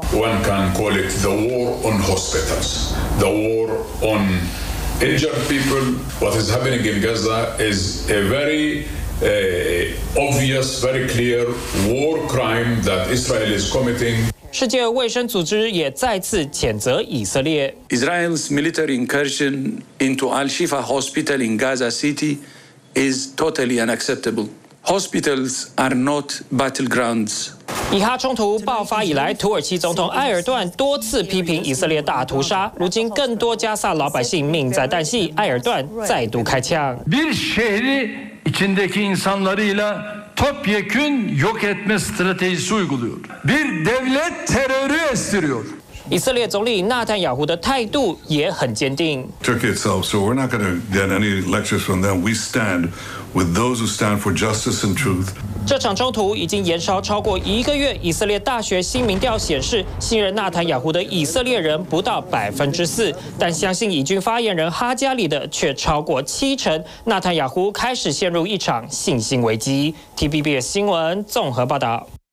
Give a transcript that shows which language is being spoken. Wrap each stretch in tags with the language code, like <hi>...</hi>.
<en>One can call it the war on hospitals, the war on injured people. What is happening in Gaza is a very, obvious, very clear war crime that Israel is committing.</en> <zh>世界卫生组织也再次谴责以色列。</zh> <en>Israel's military incursion into Al-Shifa Hospital in Gaza City is totally unacceptable. Hospitals are not battlegrounds.</en> <zh>以哈冲突爆发以来，土耳其总统埃尔段多次批评以色列大屠杀。如今，更多加萨老百姓命在旦夕，埃尔段再度开枪。</zh> <tr>Bir şehri içindeki insanlarıyla topyekün yok etme stratejisi uyguluyor. Bir devlet terörü estiriyor.</tr> <zh>以色列总理纳坦雅胡的态度也很坚定。</zh> <en>Turkey itself, so we're not going to get any lectures from them. We stand with those who stand for justice and truth.</en> <zh>这场冲突已经延烧超过一个月。以色列大学新民调显示，信任纳坦雅胡的以色列人不到4%，但相信以军发言人哈加里的却超过70%。纳坦雅胡开始陷入一场信心危机。 TBB 新闻综合报道。</zh>